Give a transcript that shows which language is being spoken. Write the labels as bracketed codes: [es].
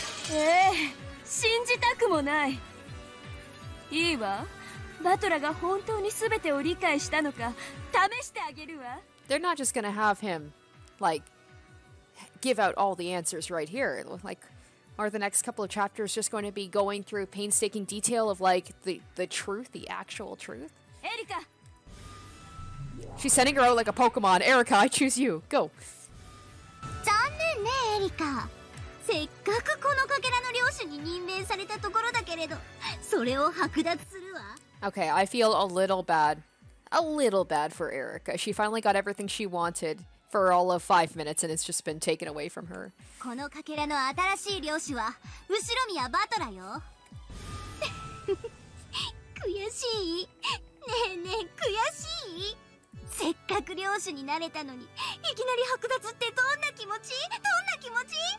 [ja] ええ、信じたくもない。いいわ、バトラが本当に全てを理解したのか試してあげるわ。 [en] They're not just gonna have him like give out all the answers right here. Like, are the next couple of chapters just going to be going through painstaking detail of like the truth, the actual truth? Erika! She's sending her out like a Pokemon. Erika, I choose you. Go. [ja] 残念ね、エリカ。せっかくこのかけらの領主に任命されたところだけれど、それを剥奪するわ。 [en] Okay, I feel a little bad. A little bad for Erika. She finally got everything she wanted. For all of 5 minutes, and it's just been taken away from her. [ja] このかけらの新しい領主は後ろ宮バトラよ。悔しい。ねえねえ、悔しい。せっかく領主になれたのに、いきなり剥奪ってどんな気持ち？どんな気持ち？